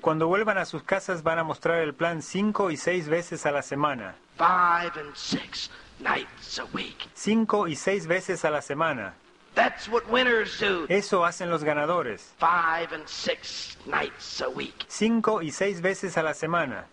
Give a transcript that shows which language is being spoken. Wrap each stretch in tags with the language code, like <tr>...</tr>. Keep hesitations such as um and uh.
<es>cuando vuelvan a sus casas van a mostrar el plan cinco y seis veces a la semana.</es> <en>Five and six nights a week.</en> <es>Cinco y seis veces a la semana.</es> <en>That's what winners do.</en> <es>Eso hacen los ganadores.</es> <en>Five and six nights a week.</en> <es>Cinco y seis veces a la semana.</es>